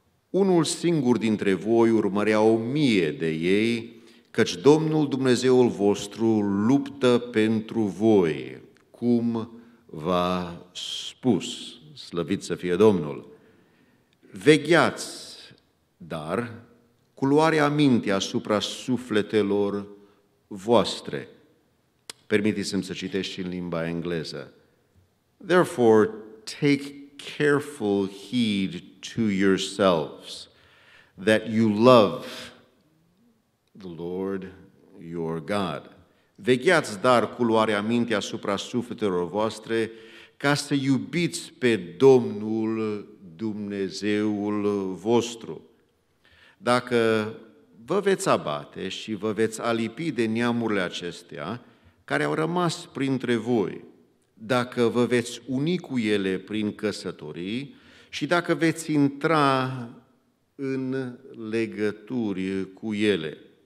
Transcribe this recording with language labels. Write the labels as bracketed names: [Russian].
[Romanian] Unul singur dintre voi urmărea 1000 de ei, căci Domnul Dumnezeul vostru luptă pentru voi, cum v-a spus. Slăvit să fie Domnul! Vegheați, dar, cu luarea minte asupra sufletelor voastre. Permiteți-mi să citesc și în limba engleză. [English] Therefore, take careful heed to yourselves that you love the Lord your God. [Romanian] Vegheați, dar, cu luarea minte asupra sufletelor voastre, ca să iubiți pe Domnul Dumnezeul vostru. Dacă vă veți abate și vă veți alipi de neamurile acestea care au rămas printre voi, dacă vă veți uni cu ele prin căsătorii și dacă veți intra în legături cu ele,